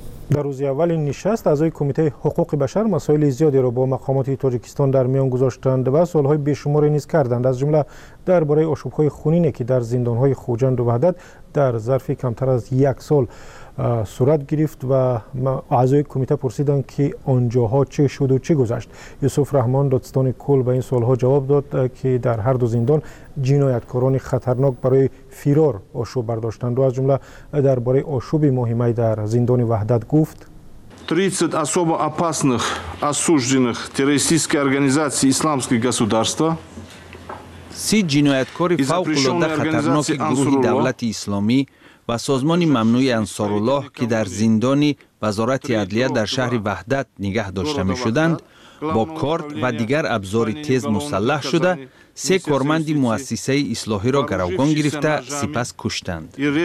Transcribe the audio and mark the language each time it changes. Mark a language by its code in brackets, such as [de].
[fa] در روز اول نشست اعضای کمیته حقوق بشر مسائل زیادی را با مقامات تاجیکستان در میان گذاشتند و سوال‌های بی‌شماری نیز کردند، از جمله درباره آشوب‌های خونینی که در زندان‌های خوجند و وحدت در ظرف کمتر از یک سال صورت گرفت و اعضای کمیته پرسیدند که آنجاها چه شد و چه گذشت. یوسف رحمان دادستان کل به این سوال‌ها جواب داد که در هر دو زندان جنایتکاران خطرناک برای فرار آشوب برداشتند و از جمله درباره آشوب مهمی در زندان وحدت گفت. [ru] 30 особо опасных осужденных террористической организации Исламское государство. [fa] 30 جنایتکار فوق‌العاده خطرناک گروه دولت اسلامی و سازمان ممنوع انصار الله که در زندان وزارت عدلیه در شهر وحدت نگه داشته می شدند، با کارت و دیگر ابزار تیز مسلح شده، 3 کارمند مؤسسه اصلاحی را گروگان گرفته سپس کشتند.